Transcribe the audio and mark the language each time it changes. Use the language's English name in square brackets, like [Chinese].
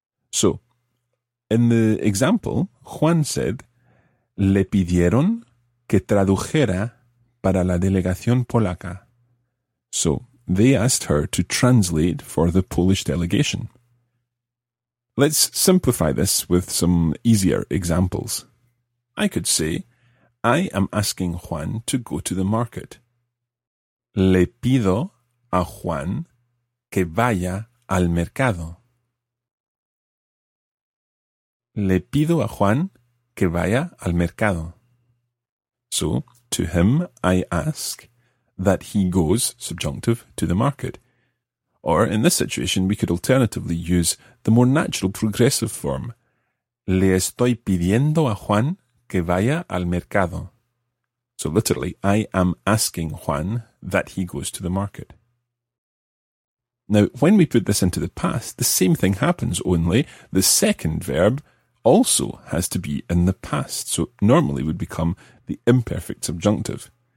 [English] So, in the example, Juan said, [Spanish] le pidieron que tradujera para la delegación polaca. [English] So, they asked her to translate for the Polish delegation. Let's simplify this with some easier examples. I could say, I am asking Juan to go to the market. [Spanish] Le pido a Juan que vaya al mercado. Le pido a Juan que vaya al mercado. [English] So, to him I ask that he goes, subjunctive, to the market. Or, in this situation, we could alternatively use the more natural progressive form. [Spanish] Le estoy pidiendo a Juan que vaya al mercado. [English] So literally, I am asking Juan that he goes to the market. Now, when we put this into the past, the same thing happens, only the second verb also has to be in the past, so it normally would become the imperfect subjunctive.